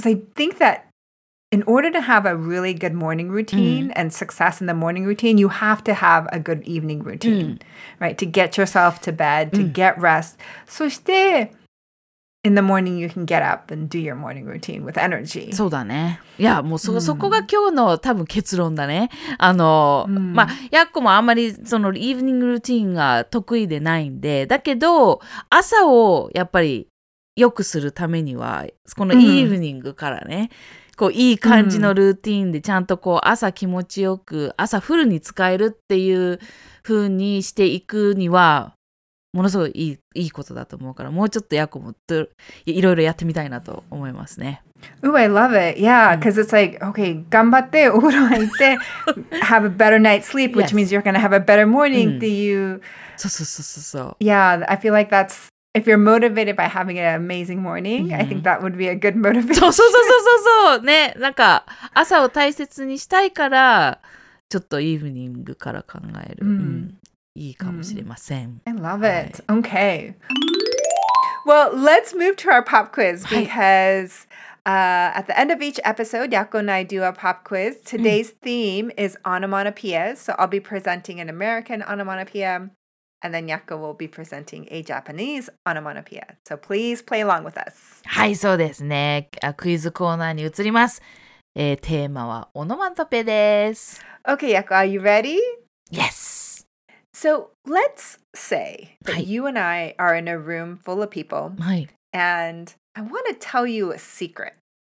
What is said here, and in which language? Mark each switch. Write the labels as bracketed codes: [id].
[en] Because I think that in order to have a really good morning routine and success in the morning routine, you have to have a good evening routine, right? To get yourself to bed, to get rest. [ja] そして、 [en] in the morning, you can get up and do your morning routine with energy. [ja] そうだね。いや、もうそこが今日の多分結論だね。まあ、やっこもあんまりそのイブニングルーティーンが得意でないんで、だけど、朝をやっぱり良くするためには、このイブニングからね、こういい感じのルーティーンでちゃんとこう朝気持ちよく朝フルに使えるっていう風にしていくにはものすごいいいことだと思うからもうちょっとヤコもいろいろやってみたいなと思いますね。 [en] Ooh, I love it. Yeah, because it's like, okay, [ja] 頑張ってお風呂入って [en] have a better night's sleep, which means you're going to have a better morning [ja] っていう、そうそうそうそうそう。 [en] Yeah, I feel like that'sIf you're motivated by having an amazing morning, I think that would be a good motivation. [ja] そうそうそうそうそう。ね、なんか朝を大切にしたいから、ちょっとイブニングから考える。いいかもしれません。 [en] I love it. Okay. Well, let's move to our pop quiz because at the end of each episode, Yako and I do a pop quiz. Today's theme is onomatopoeia, so I'll be presenting an American onomatopoeia. And then Yako will be presenting a Japanese onomatopoeia. So please play along with us. [ja] はい、そうですね。クイズコーナーに移ります。テーマはオノマトペです。 [en] Okay, Yako, are you ready? Yes. So let's say that you and I are in a room full of people. [ja] はい。 [en] And I want to tell you a secret.